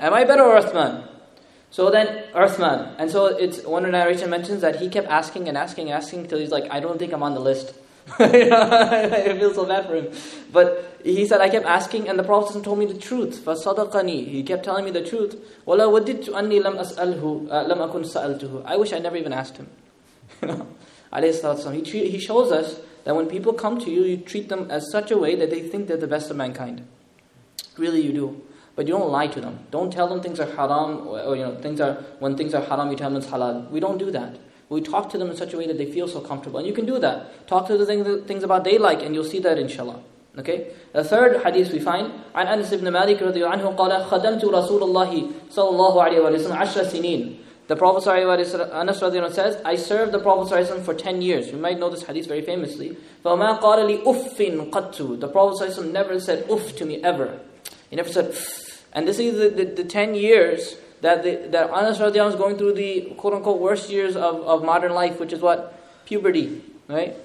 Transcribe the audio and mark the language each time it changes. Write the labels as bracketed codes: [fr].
[en] Am I better or Uthman? So then, Uthman. And so it's one narration mentions that he kept asking and asking and asking until he's like, I don't think I'm on the list. I feel so bad for him. But he said, I kept asking and the Prophet told me the truth. [ar] فَصَدَقَنِي [en] He kept telling me the truth. [ar] وَلَا وَدِدْتُ أَنِّي لَمْ أَسْأَلْهُ لَمْ أَكُنْ سَأَلْتُهُ [en] I wish I never even asked him. You know, he shows us that when people come to you, you treat them as such a way that they think they're the best of mankind. Really you do. But you don't lie to them. Don't tell them things are haram or you know, when things are haram, you tell them it's halal. We don't do that. We talk to them in such a way that they feel so comfortable. And you can do that. Talk to the things about they like and you'll see that inshallah. Okay? The third hadith we find, [ar] عن أنس بن مالك رضي الله عنه قال خدمت رسول الله صلى الله عليه وسلم 10 سنين [en] The Prophet sallallahu alaihi wasallam, Anas radiallahu anhu says, I served the Prophet sallallahu alaihi wasallam for 10 years. You might know this hadith very famously. [ar] فَمَا قَالَ لِي أُفٍ قَتُّ. [en] The Prophet sallallahu alaihi wasallam never said uff to me ever. He never said pff. And this is the 10 years that Anas radiallahu anhu is going through, the quote unquote worst years of modern life, which is what? Puberty. Right?